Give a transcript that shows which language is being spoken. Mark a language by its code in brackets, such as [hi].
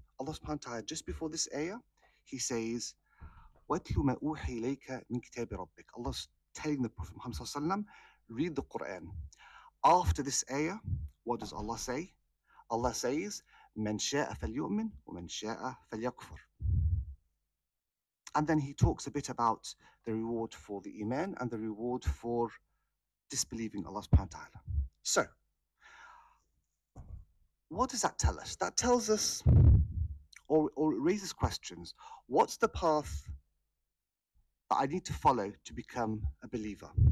[en] Allah subhanahu wa ta'ala, just before this ayah, he says, [ar] وَاتْلُوا مَا أُوحِي إِلَيْكَ مِنْ كِتَابِ رَبِّكَ. [en] Allah's telling the Prophet Muhammad sallallahu alayhi wa sallam, read the Qur'an. After this ayah, what does Allah say? Allah says, [ar] مَنْ شَاءَ فَلْيُؤْمِنْ وَمَنْ شَاءَ فَلْيَكْفُرْ. [en] And then he talks a bit about the reward for the iman and the reward for disbelieving Allah subhanahu wa ta'ala. So, what does that tell us? That tells us, or raises questions, what's the path that I need to follow to become a believer?